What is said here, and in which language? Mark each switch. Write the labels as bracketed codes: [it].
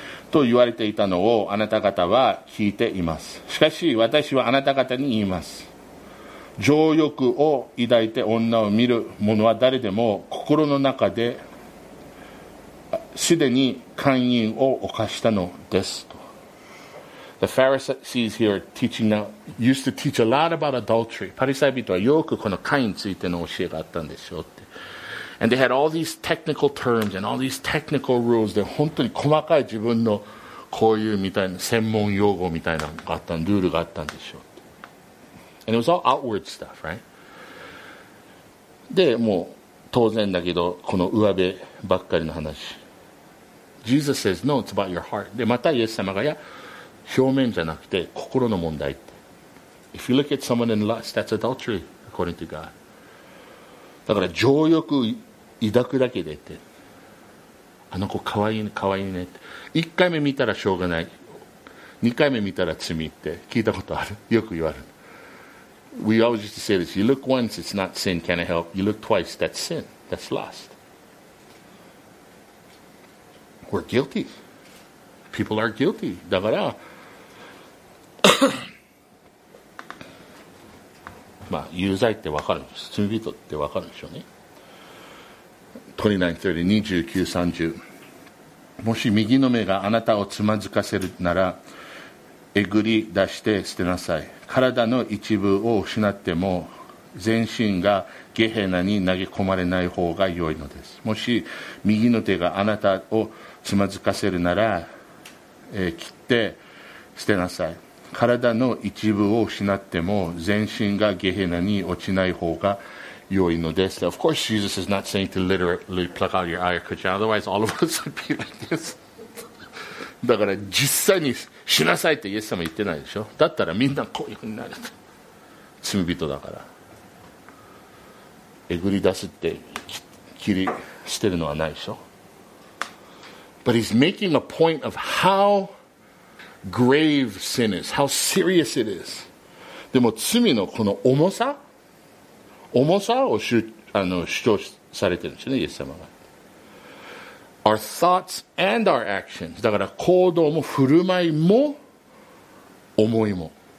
[ja] と言われていたのをあなた方は聞いています。しかし私はあなた方に言います。情欲を抱いて女を見る者は誰でも心の中ですでに姦淫を犯したのですと。 [en] The Pharisees here teaching now used to teach a lot about adultery. [ja] パリサイ人はよくこの姦淫についての教えがあったんですよって。 [en] And they had all these technical terms and all these technical rules. [ja] で本当に細かい自分のこういうみたいな専門用語みたいなのがあったルールがあったんでしょう。 [en] And it was all outward stuff, right? [ja] でもう当然だけどこの上辺ばっかりの話。 [en] Jesus says, no, it's about your heart. [ja] でまたイエス様がや表面じゃなくて心の問題って。 [en] If you look at someone in lust, that's adultery, according to God. [ja] だから情欲抱くだけでってあの子かわいいねかわいいねって1回目見たらしょうがない2回目見たら罪って聞いたことあるよく言われる [en] We always used to say this You look once, it's not sin, can't help You look twice, that's sin, that's lust We're guilty People are guilty [ja] だからまあ、有罪って分かるんです。罪人って分かるんでしょうね。29:30 もし右の目があなたをつまずかせるならえぐり出して捨てなさい。体の一部を失っても全身がゲヘナに投げ込まれない方が良いのです。もし右の手があなたをつまずかせるなら、切って捨てなさい。体の一部を失っても全身がゲヘナに落ちない方が良いのです。 [en] Of course, Jesus is not saying to literally pluck out your eye or cut you. Otherwise, all of us would be like this. [ja] だから実際に死なさいってイエス様言ってないでしょ。だったらみんなこういうふうになる。罪人だから。えぐり出すって切り捨てるのはないでしょ。 [en] But he's making a point of howgrave sin is, how serious it is. [ja] でも罪のこの重さ重さを主張されてるんですよね、イエス様が。 [en] Our thoughts and our actions. [ja] だから行動も振る舞いも思いも。